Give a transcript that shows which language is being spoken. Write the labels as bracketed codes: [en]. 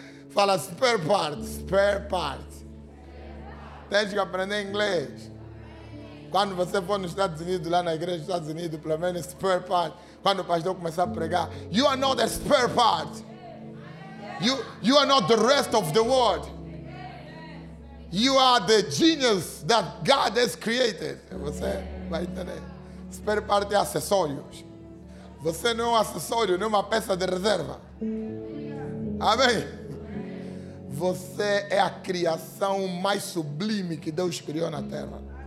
[pt] Fala spare part. Spare part. Tem que aprender inglês. Quando você for nos Estados Unidos, lá na igreja dos Estados Unidos, pelo menos spare part. Quando o pastor começar a pregar, [en] you are not a spare part. You are not the rest of the world. You are the genius that God has created. [pt] Você vai entender. Spare part é acessórios. Você não é um acessório, não é uma peça de reserva. Amém? Você é a criação mais sublime que Deus criou na terra.